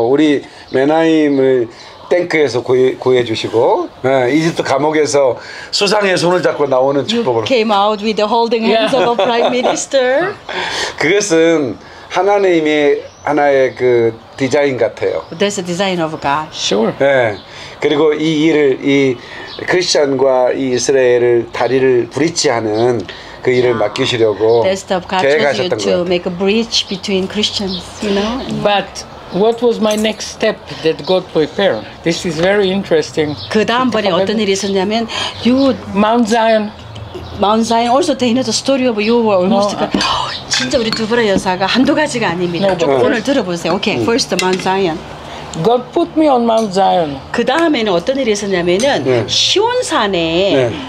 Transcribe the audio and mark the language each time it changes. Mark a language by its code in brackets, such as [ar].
[ko] 우리 메나임을 탱크에서 구해주시고, 이집트 감옥에서 수상의 손을 잡고 나오는 축복으로. [en] You came out with the holding hands of a prime minister. [ko] 그것은 하나님의 하나의 그 디자인 같아요. [en] That's a design of God. Sure. [ko] 예. 그리고 이 일을 이 크리스천과 이 이스라엘을 다리를 브릿지하는 그 일을 맡기시려고 계획하셨던 거예요. [en] To make a bridge between Christians, you know. But what was my next step that God prepared? This is very interesting. [ko] 그 다음번에 어떤 일이 있었냐면 [en] Mount Zion. Mount Zion also they know the story of you were almost no, [ko] 진짜 우리 두브라 여사가 한두 가지가 아닙니다. 조금 no, 오늘 들어보세요. [en] Okay, first Mount Zion. God put me on Mount Zion. [ko] 그 다음에는 어떤 일이 있었냐면은 시온산에